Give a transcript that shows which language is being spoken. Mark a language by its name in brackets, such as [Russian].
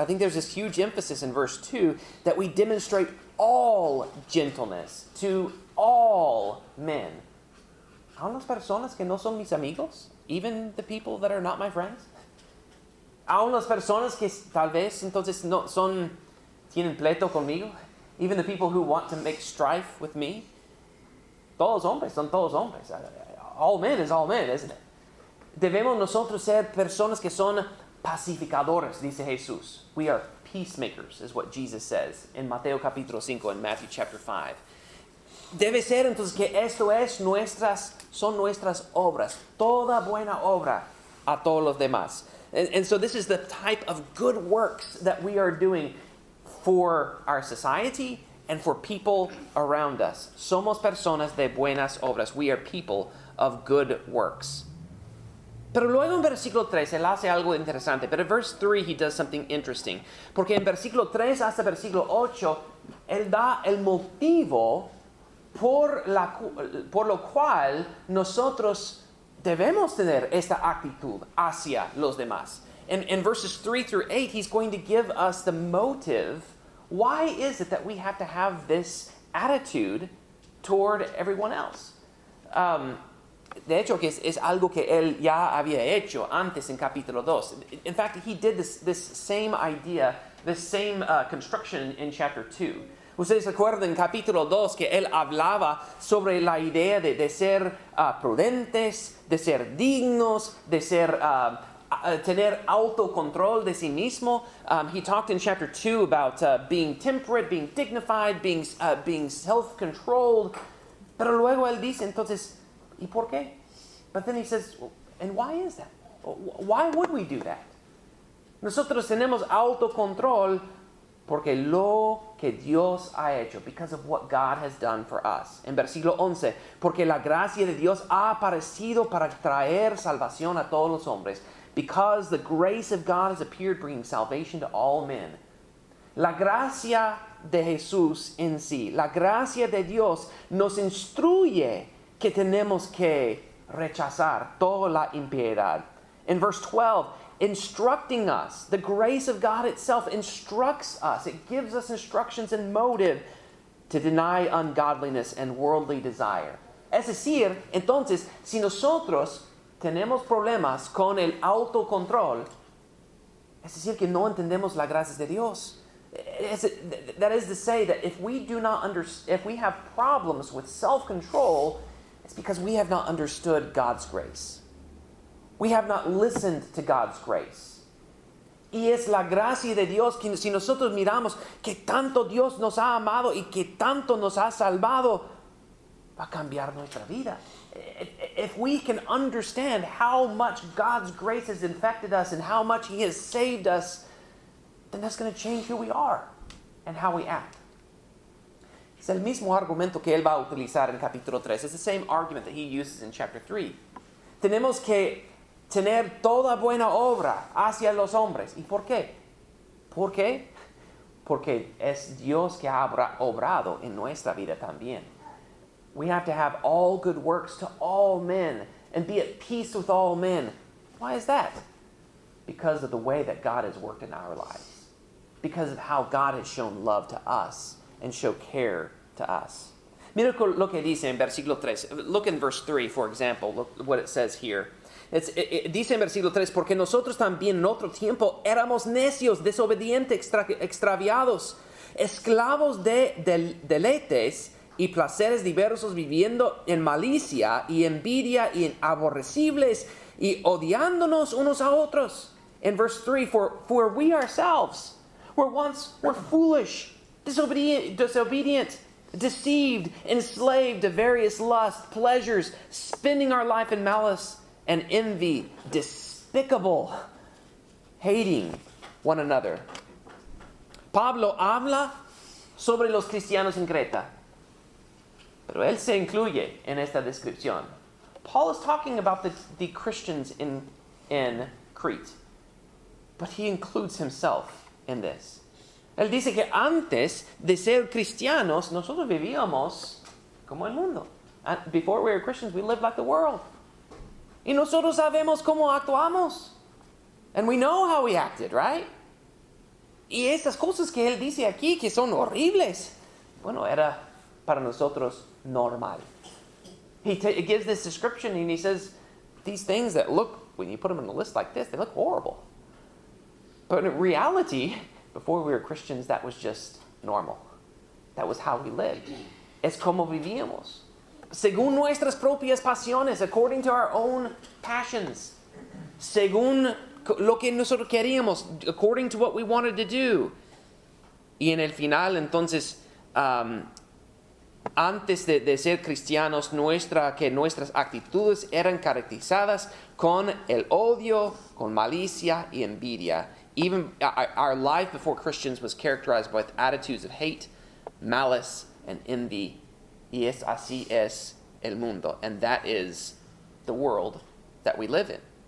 [English] I think there's this huge emphasis in verse 2 that we demonstrate all gentleness to all men. [Spanish] ¿Aún las personas que no son mis amigos? [English] Even the people that are not my friends? [Spanish] ¿Aún las personas que tal vez entonces no son, tienen pleito conmigo? [English] Even the people who want to make strife with me? [Spanish] Todos hombres son todos hombres. [English] All men is all men, isn't it? [Spanish] Debemos nosotros ser personas que son pacificadores, dice Jesús. [English] We are peacemakers, is what Jesus says in [Spanish] Mateo capítulo 5 [English] and Matthew chapter 5. [Spanish] Debe ser entonces que esto es son nuestras obras, toda buena obra a todos los demás. [English] And so this is the type of good works that we are doing for our society and for people around us. [Spanish] Somos personas de buenas obras. [English] We are people of good works. [Spanish] Pero luego en versículo 3, él hace algo interesante. Pero en [English] verse 3, he does something interesting. [Spanish] Porque en versículo 3 hasta versículo 8, él da el motivo por lo cual nosotros debemos tener esta actitud hacia los demás. [English] In verses 3 through 8, he's going to give us the motive. Why is it that we have to have this attitude toward everyone else? [Spanish] De hecho, que es algo que él ya había hecho antes en capítulo 2. [English] In fact, he did this same idea, this same construction in chapter 2. [Spanish] Ustedes recuerdan en capítulo 2 que él hablaba sobre la idea de ser prudentes, de ser dignos, de ser tener autocontrol de sí mismo. [English] He talked in chapter 2 about being temperate, being dignified, being self-controlled. [Spanish] Pero luego él dice, entonces, ¿y por qué? [English] But then he says, and why is that? Why would we do that? [Spanish] Nosotros tenemos autocontrol Porque lo que Dios ha hecho, [English] because of what God has done for us. [Spanish] En versículo 11, porque la gracia de Dios ha aparecido para traer salvación a todos los hombres. [English] Because the grace of God has appeared bringing salvation to all men. [Spanish] La gracia de Jesús en sí, la gracia de Dios nos instruye que tenemos que rechazar toda la impiedad. [English] In verse 12, instructing us, the grace of God itself instructs us. It gives us instructions and motive to deny ungodliness and worldly desire. [Spanish] Es decir, entonces, si nosotros tenemos problemas con el autocontrol, es decir, que no entendemos la gracia de Dios. [English] That is to say that if we do not understand, if we have problems with self-control, it's because we have not understood God's grace. We have not listened to God's grace. [Spanish] Y es la gracia de Dios que si nosotros miramos que tanto Dios nos ha amado y que tanto nos ha salvado, va a cambiar nuestra vida. [English] If we can understand how much God's grace has infected us and how much He has saved us, then that's going to change who we are and how we act. [Spanish] Es el mismo argumento que él va a utilizar en capítulo 3. [English] It's the same argument that he uses in chapter 3. [Spanish] Tenemos que tener toda buena obra hacia los hombres. ¿Y por qué? ¿Por qué? Porque es Dios que ha obrado en nuestra vida también. [English] We have to have all good works to all men and be at peace with all men. Why is that? Because of the way that God has worked in our lives. Because of how God has shown love to us and show care to us. [Spanish] Mira lo que dice en versículo 3. [English] Look in verse 3, for example, look what it says here. [Spanish] Dice en versículo 3, porque nosotros también en otro tiempo éramos necios, desobedientes, extraviados, esclavos de deleites y placeres diversos, viviendo en malicia y envidia y en aborrecibles y odiándonos unos a otros. [English] In verse 3, for we ourselves were foolish, disobedient, deceived, enslaved to various lusts, pleasures, spending our life in malice and envy, despicable, hating one another. [Spanish] Pablo habla sobre los cristianos en Creta, pero él se incluye en esta descripción. [English] Paul is talking about the Christians in Crete, but he includes himself in this. [Spanish] Él dice que antes de ser cristianos, nosotros vivíamos como el mundo. [English] And before we were Christians, we lived like the world. [Spanish] Y nosotros sabemos cómo actuamos. [English] And we know how we acted, right? [Spanish] Y esas cosas que él dice aquí que son horribles, bueno, era para nosotros normal. [English] He gives this description and he says, these things that look, when you put them on a list like this, they look horrible. But in reality, before we were Christians, that was just normal. That was how we lived. [Spanish] Es como vivíamos. Según nuestras propias pasiones, [English] according to our own passions. [Spanish] Según lo que nosotros queríamos, [English] according to what we wanted to do. [Spanish] Y en el final, entonces, antes de ser cristianos, nuestras actitudes eran caracterizadas con el odio, con malicia y envidia. [English] Even our life before Christians was characterized by attitudes of hate, malice, and envy. [Spanish] Y es así es el mundo. [English] And that is the world that we live in.